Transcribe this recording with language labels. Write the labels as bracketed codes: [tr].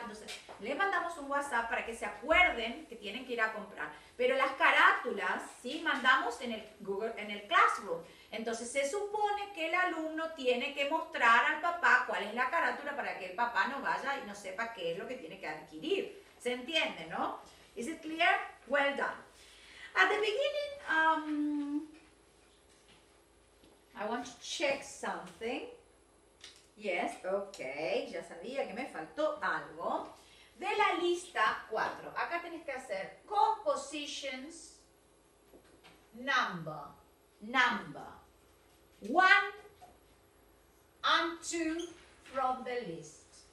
[es] Entonces, les mandamos un WhatsApp para que se acuerden que tienen que ir a comprar. Pero las carátulas, sí, mandamos en el Google, en el Classroom. Entonces, se supone que el alumno tiene que mostrar al papá cuál es la carátula para que el papá no vaya y no sepa qué es lo que tiene que adquirir. ¿Se entiende, no? [en] Is it clear? Well done. At the beginning, I want to check something. Yes, okay, [es] ya sabía que me faltó algo. De la lista 4, acá tenés que hacer compositions, [en] number, 1 and 2 from the list.